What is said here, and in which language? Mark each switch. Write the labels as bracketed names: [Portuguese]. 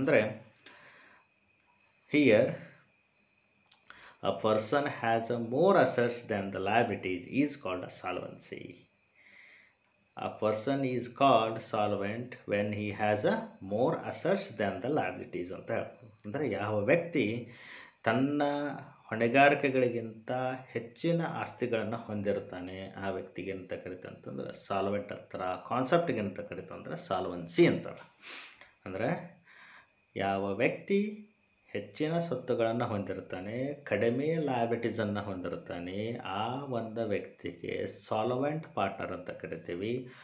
[Kannada] ಅಂದರೆ [English] Here a person has a more assets than the liabilities is called a solvency. A person is called solvent when he has a more assets than the liabilities. [Kannada] ಅಂದರೆ ಯಾವ ವ್ಯಕ್ತಿ ತನ್ನ ಹೊಣೆಗಾರಿಕೆಗಳಿಗಿಂತ ಹೆಚ್ಚಿನ ಆಸ್ತಿಗಳನ್ನು ಹೊಂದಿರ್ತಾನೆ ಆ ವ್ಯಕ್ತಿಗೆ ಅಂತ ಕರಿತಂತಂದರೆ ಸಾಲ್ವೆಂಟ್ ಅಂತಾರೆ. ಆ ಕಾನ್ಸೆಪ್ಟ್ಗೆ ಅಂತ ಕರಿತಂದರೆ ಸಾಲ್ವೆನ್ಸಿ ಅಂತಾರೆ. ಅಂದರೆ ಯಾವ ವ್ಯಕ್ತಿ ಹೆಚ್ಚಿನ ಸ್ವತ್ತುಗಳನ್ನು ಹೊಂದಿರ್ತಾನೆ, ಕಡಿಮೆ ಲಯಬಿಲಿಟೀಸನ್ನು ಹೊಂದಿರ್ತಾನೆ, ಆ ಒಂದು ವ್ಯಕ್ತಿಗೆ ಸಾಲ್ವೆಂಟ್ ಪಾರ್ಟ್ನರ್ ಅಂತ ಕರಿತೀವಿ.